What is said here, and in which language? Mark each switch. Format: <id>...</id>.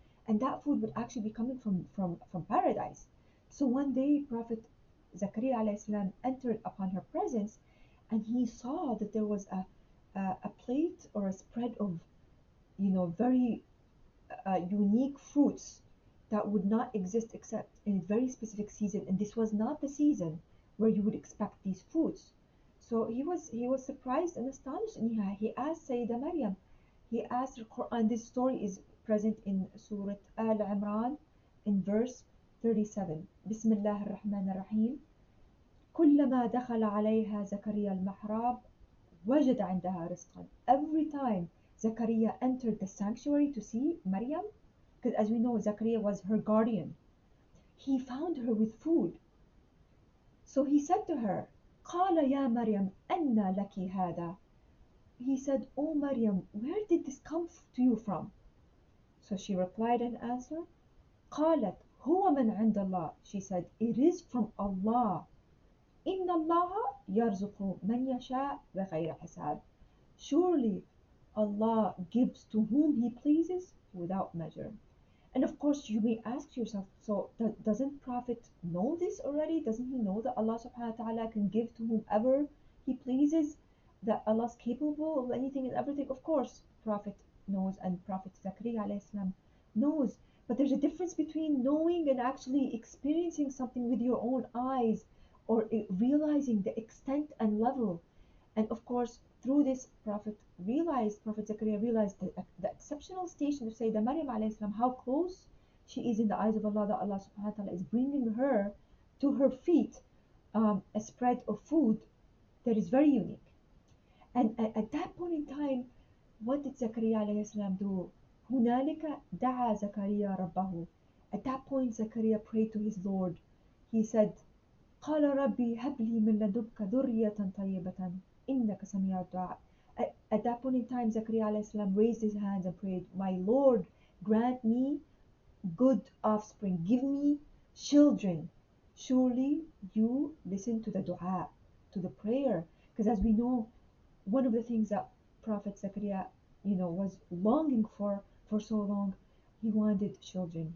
<en>And that food would actually be coming from paradise. So one day, Prophet Zakaria alayhi salam entered upon her presence, and he saw that there was a plate or a spread of, you know, very unique fruits that would not exist except in a very specific season. And this was not the season where you would expect these fruits. So he was surprised and astonished. And he asked Sayyida Maryam, he asked the Quran, this story is present in Surah Al-Imran in verse 37.</en> <ar>بسم الله الرحمن الرحيم كلما دخل عليها زكريا المحراب وجد عندها رزقا.</ar> <en>Every time Zakaria entered the sanctuary to see Maryam, because as we know, Zakaria was her guardian, he found her with food. So he said to her,</en> <ar>قال يا مريم أن لك هذا.</ar> <en>He said, oh Maryam, where did this come to you from? So she replied and answered,</en> <ar>قالت هو من عند الله.</ar> <en>She said, it is from Allah.</en> <ar>إن الله يرزق من يشاء بغير حساب.</ar> <en>Surely Allah gives to whom He pleases without measure. And of course, you may ask yourself, so doesn't Prophet know this already? Doesn't he know that Allah subhanahu wa ta'ala can give to whomever He pleases, that Allah is capable of anything and everything? Of course, Prophet knows, and Prophet Zakaria alayhi salam knows. But there's a difference between knowing and actually experiencing something with your own eyes, or realizing the extent and level. And of course, through this, Prophet Zakaria realized the exceptional station of Sayyida Maryam alayhi salam, how close she is in the eyes of Allah, that Allah subhanahu wa ta'ala is bringing her to her feet a spread of food that is very unique. And at that point in time, what did Zakaria alayhi salam do?</en> <ar>هُنَالِكَ دَعَى زَكَرِيَا رَبَّهُ.</ar> <en>At that point, Zakaria prayed to his Lord. He said,</en> <ar>قَالَ رَبِّي هَبْ لِي مِنْ لَدُبْكَ ذُرِّيَّةً طَيِّبَةً.</ar> <en>At that point in time, Zakaria alayhi salam raised his hands and prayed, my Lord, grant me good offspring, give me children. Surely you listen to the dua, to the prayer. Because as we know, one of the things that Prophet Zakaria, you know, was longing for so long, he wanted children.</en>